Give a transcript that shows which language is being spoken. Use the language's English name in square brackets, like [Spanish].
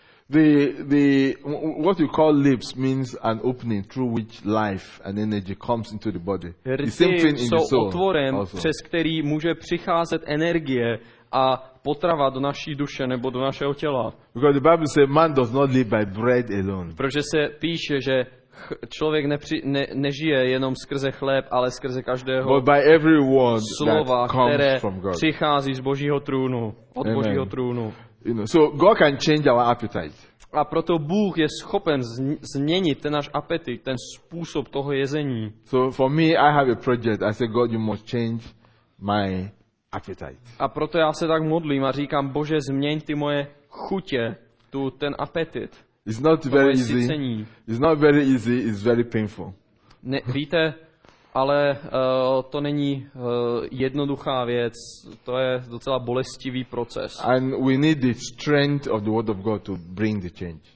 [English] The what you call lips means an opening through which life and energy comes into the body. The same thing in the soul. [Czech] Rty jsou otvorem, přes který může přicházet energie a potrava do naší duše nebo do našeho těla. [English] Because the Bible says man does not live by bread alone. [Czech] Protože se píše, že člověk nežije jenom skrze chléb, ale skrze každého slova, které přichází z Božího trůnu, od Amen. Božího trůnu. [English] You know, so God can change our appetite. [Czech] A proto Bůh je schopen změnit ten náš apetit, ten způsob toho jezení. [English] So for me, I have a project. I say, God, you must change my appetite. [Czech] A proto já se tak modlím a říkám, Bože, změň ty moje chutě, ten apetit. [English] It's not very easy. It's not very easy. It's very painful. [Czech] Víte, ale to není jednoduchá věc, to je docela bolestivý proces. [English] And we need the strength of the word of God to bring the change.